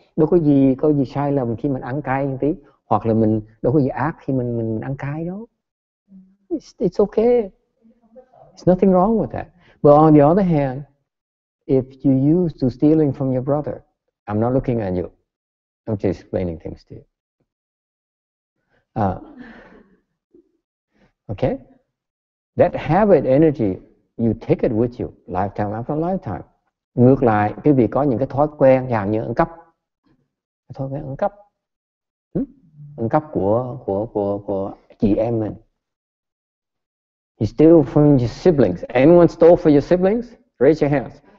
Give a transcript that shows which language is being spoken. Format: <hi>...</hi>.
<vi>Đâu có gì, có gì sai lầm khi mình ăn cay một tí. Hoặc là mình đâu có gì ác khi mình ăn cay đâu.</vi> <en>It's okay. It's nothing wrong with that. But on the other hand, if you used to stealing from your brother, I'm not looking at you. I'm just explaining things to you. Okay? That habit energy, you take it with you, lifetime after lifetime.</en> <vi>Ngược lại, quý vị có những cái thói quen dạng như ăn cắp. Thói quen ăn cắp. Ăn cắp của chị em mình.</vi> <en>You steal from your siblings. Anyone stole from your siblings? Raise your hands.</en>